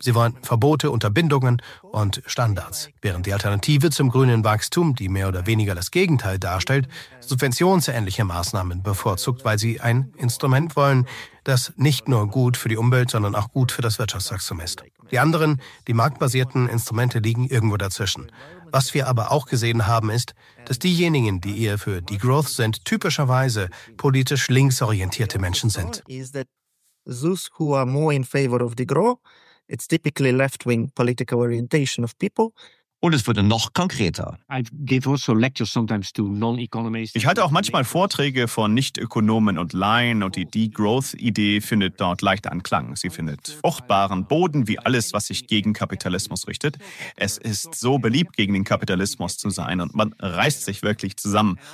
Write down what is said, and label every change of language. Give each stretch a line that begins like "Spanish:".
German: Sie wollen Verbote, Unterbindungen und Standards. Während die Alternative zum grünen Wachstum, die mehr oder weniger das Gegenteil darstellt, subventionsähnliche Maßnahmen bevorzugt, weil sie ein Instrument wollen, das nicht nur gut für die Umwelt, sondern auch gut für das Wirtschaftswachstum ist. Die anderen, die marktbasierten Instrumente liegen irgendwo dazwischen. Was wir aber auch gesehen haben, ist, dass diejenigen, die eher für Degrowth sind, typischerweise politisch linksorientierte Menschen sind.
English: Those who are more in favor of Degrowth, it's typically left-wing political orientation of people.
German: Und es würde noch konkreter. Ich halte auch manchmal Vorträge von Nicht-Ökonomen und Laien und die Degrowth-Idee findet dort leicht Anklang. Sie findet fruchtbaren Boden wie alles, was sich gegen Kapitalismus richtet. Es ist so beliebt, gegen den Kapitalismus zu sein und man reißt sich wirklich zusammen.